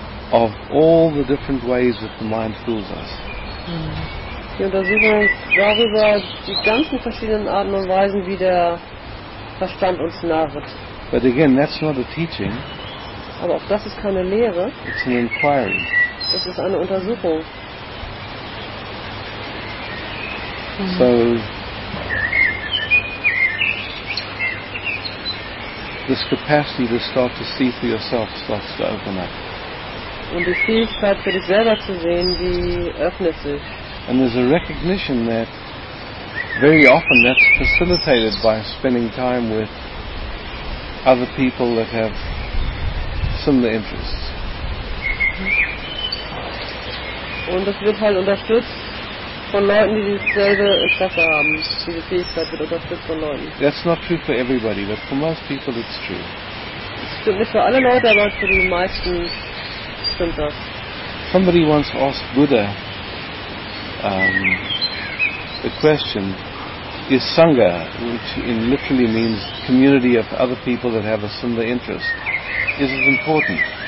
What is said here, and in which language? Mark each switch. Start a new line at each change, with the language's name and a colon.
English: of all the different ways that the mind fools us.
German: Die Untersuchung darüber, die ganzen verschiedenen Arten und Weisen, wie der Verstand uns narrt.
English: But again, that's not a teaching.
German: Aber auch das ist keine Lehre.
English: It's an inquiry.
German: Es ist eine Untersuchung.
English: So, this capacity to start to see for yourself starts to open up.
German: Und die Fähigkeit für dich selber zu sehen, die öffnet sich.
English: And there's a recognition that very often that's facilitated by spending time with other people that have similar interests.
German: Und das wird halt unterstützt von Leuten, die dieselbe Interesse haben. Diese Fähigkeit wird unterstützt von Leuten.
English: That's not true for everybody, but for most people it's true.
German: Das stimmt nicht für alle Leute, aber für die meisten stimmt das.
English: Somebody once asked Buddha the question, is Sangha, which in literally means community of other people that have a similar interest, is it important?